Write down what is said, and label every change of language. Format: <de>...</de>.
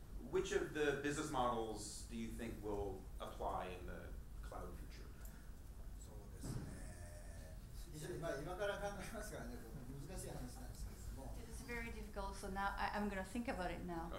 <en>Which of the business models do you think will apply in the cloud future?</en> <ja>そうですね。非常に、まあ、今から考えますからね、これ難しい話なんですけども。</ja> <en>It's very difficult, so now I'm going to think about it now.</en>